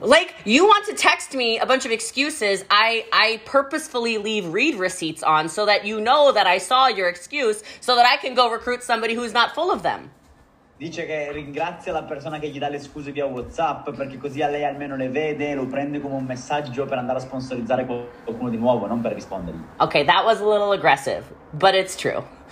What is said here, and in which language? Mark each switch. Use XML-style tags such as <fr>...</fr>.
<en>Like, you want to text me a bunch of excuses, I purposefully leave read receipts on so that you know that I saw your excuse so that I can go recruit somebody who's not full of them.</en> <it>Dice che ringrazia la persona che gli dà le scuse via WhatsApp perché così a lei almeno le vede, lo prende come un messaggio per andare a sponsorizzare qualcuno di nuovo, non per rispondergli.</it> <en>Okay, that was a little aggressive, but it's true.</en>